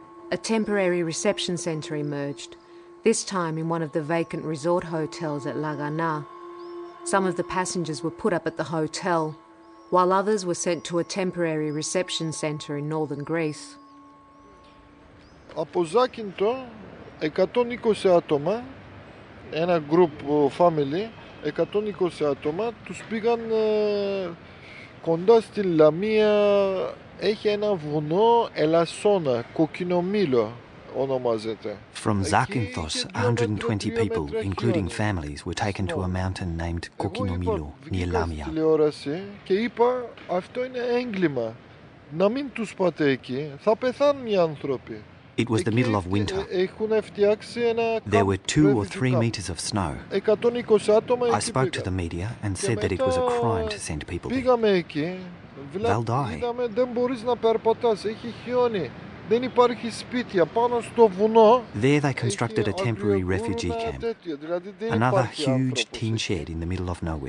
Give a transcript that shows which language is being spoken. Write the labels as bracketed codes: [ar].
[en] A temporary reception centre emerged, this time in one of the vacant resort hotels at Lagana. Some of the passengers were put up at the hotel, while others were sent to a temporary reception center in northern Greece. [el] Από Ζάκυνθο, 120 άτομα, ένα [en] group family, [el] 120 άτομα, τους πήγαν κοντά στη Λαμία, έχει ένα βουνό Ελασσόνα, κοκκινομήλο ονομάζεται. [en] From Zakynthos, 120 people, including families, were taken to a mountain named Kokinomilo, near Lamia. It was the middle of winter. There were 2 or 3 meters of snow. I spoke to the media and said that it was a crime to send people there. They'll die. [el] Δεν μπορείς να περπατάς, έχει χιόνι. Δεν υπάρχει σπίτια πάνω στο βουνό. [en] There they constructed a temporary refugee camp, another huge tin shed in the middle of nowhere.